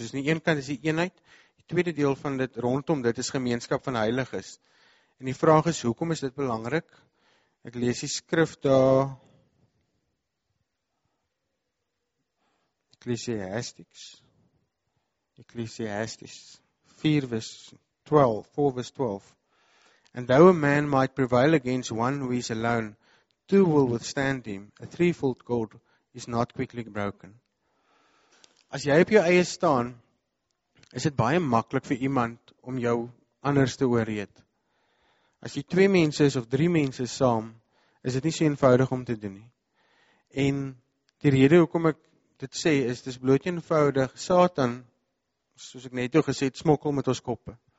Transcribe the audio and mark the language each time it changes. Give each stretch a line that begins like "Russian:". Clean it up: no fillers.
Afrikaans: Soos in die een kant is die eenheid, die tweede deel van dit rondom dit is gemeenskap van heiliges. En die vraag is, hoekom is dit belangrik? Ek lees die skrif daar, Ecclesiastes. 4 verse 12.
English: And though a man might prevail against one who is alone, two will withstand him. A threefold cord is not quickly broken.
Afrikaans: As jy op jou eie staan, is dit baie maklik vir iemand om jou anders te ooreed. As jy twee mense is of drie mense saam, is dit nie so eenvoudig om te doen nie. En die rede hoekom ek dit sê, is dis bloot eenvoudig, Satan, soos ek net toe gesê, smokkel met ons koppe.